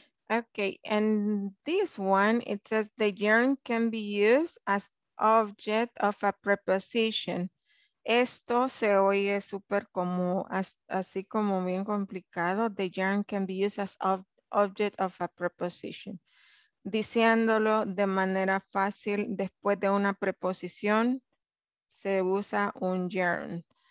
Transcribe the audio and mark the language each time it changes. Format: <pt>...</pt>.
<en>Okay, and this one, it says the gerund can be used as object of a preposition.</en> <es>Esto se oye súper como, así como bien complicado.</es> <en>The gerund can be used as object of a preposition.</en> <es>Diciéndolo de manera fácil después de una preposición, se usa un gerund.</es>